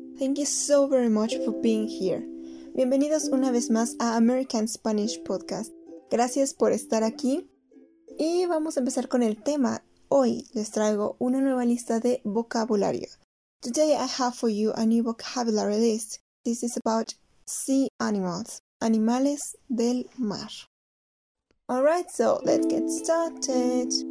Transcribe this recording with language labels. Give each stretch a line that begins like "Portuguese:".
English: Thank you so very much for being here.
Spanish: Bienvenidos una vez más a American Spanish Podcast. Gracias por estar aquí. Y vamos a empezar con el tema. Hoy les traigo una nueva lista de vocabulario.
English: Today I have for you a new vocabulary list. This is about sea animals,
Spanish: animales del mar.
English: Alright, so let's get started.